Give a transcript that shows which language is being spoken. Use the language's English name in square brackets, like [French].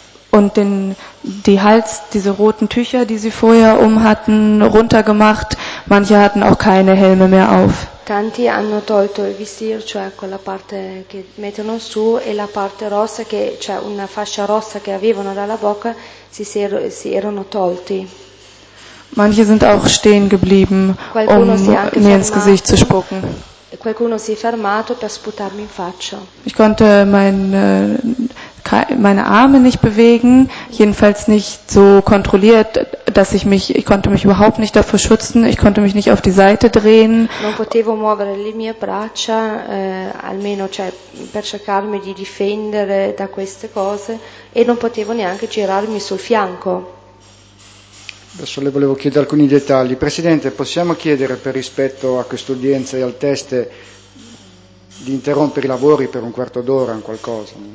[German] und den die Hals, diese roten Tücher, die sie vorher um hatten, runtergemacht. Manche hatten auch keine Helme mehr auf. [Italian] Tanti hanno tolto il visir, cioè quella parte che mettono su, e la parte rossa, che cioè una fascia rossa che avevano dalla bocca, si erano tolti. [German] Manche sind auch stehen geblieben, mir ins Gesicht zu spucken. [Italian] Qualcuno si è fermato per sputarmi in faccia. [German] Ich konnte meine Arme nicht bewegen, jedenfalls nicht so kontrolliert, dass ich konnte mich überhaupt nicht davor schützen, ich konnte mich nicht auf die Seite drehen. [Italian] Non potevo muovere le mie braccia, almeno cioè per cercarmi di difendere da queste cose, e non potevo neanche girarmi sul fianco. Adesso le volevo chiedere alcuni dettagli. Presidente, possiamo chiedere, per rispetto a quest'udienza e al test, di interrompere i lavori per un quarto d'ora, un qualcosa?